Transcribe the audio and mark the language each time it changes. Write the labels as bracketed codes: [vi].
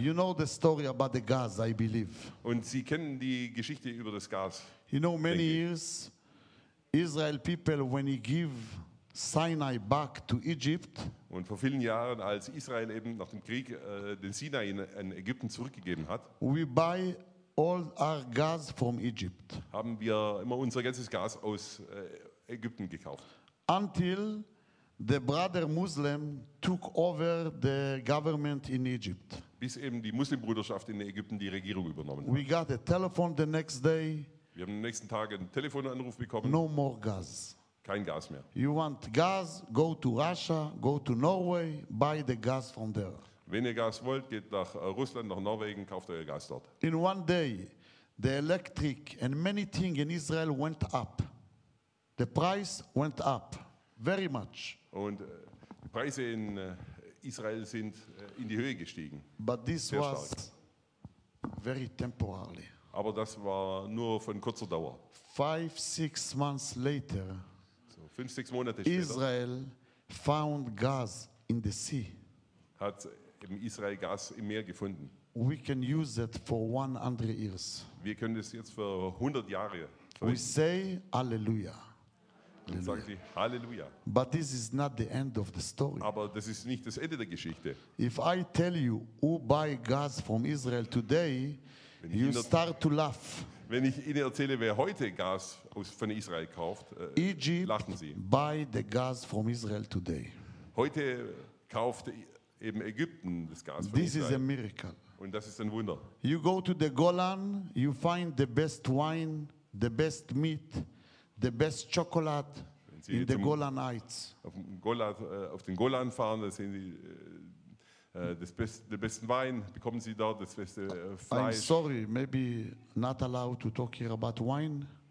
[en] You know the story about the gas, I believe. [de] Und Sie kennen die Geschichte über das Gas. [en] You know, many years, Israel people, when he give Sinai back to Egypt. [de] Und vor vielen Jahren, als Israel eben nach dem Krieg den Sinai in Ägypten zurückgegeben hat, [en] we buy all our gas from Egypt. [de] Haben wir immer unser ganzes Gas aus Ägypten gekauft. [en] Until the brother Muslim took over the government in Egypt. [de] Bis eben die Muslimbruderschaft in Ägypten die Regierung übernommen hat. [en] We got a telephone the next day. [de] Wir haben am nächsten Tag einen Telefonanruf bekommen. [en] No more gas. [de] Kein Gas mehr. [en] You want gas, go to Russia, go to Norway, buy the gas from there. [de] Wenn ihr Gas wollt, geht nach Russland, nach Norwegen, kauft euer Gas dort. [en] In one day, the electric and many things in Israel went up. The price went up very much. [de] Und die Preise in Israel sind in die Höhe gestiegen. [en] But this was very temporarily. [de] Aber das war nur von kurzer Dauer. [en] 5-6 months later, [de] so 5-6 Monate später, [en] Israel found gas in the sea. [de] Hat eben Israel Gas im Meer gefunden. [en] We can use it for 100 years. [de] Wir können es jetzt für 100 Jahre verwenden. [en] We say Alleluia. [de] Halleluja. [en] But this is not the end of the story. [de] Aber das ist nicht das Ende der Geschichte. [en] If I tell you who buy gas from Israel today, you start to laugh. [de] Wenn ich Ihnen erzähle, wer heute Gas von Israel kauft, lachen Sie. [en] Egypt buy the gas from Israel today. [de] Heute kauft eben Ägypten das Gas von [en] this [de] Israel. [en] This is a miracle. [de] Und das ist ein Wunder. [en] You go to the Golan, you find the best wine, the best meat, the best chocolate in the Golan Heights. [de] Auf den Golan fahren, da sehen Sie den besten Wein, bekommen Sie dort das beste Fleisch. [en] I'm sorry, maybe not allowed to talk here about wine.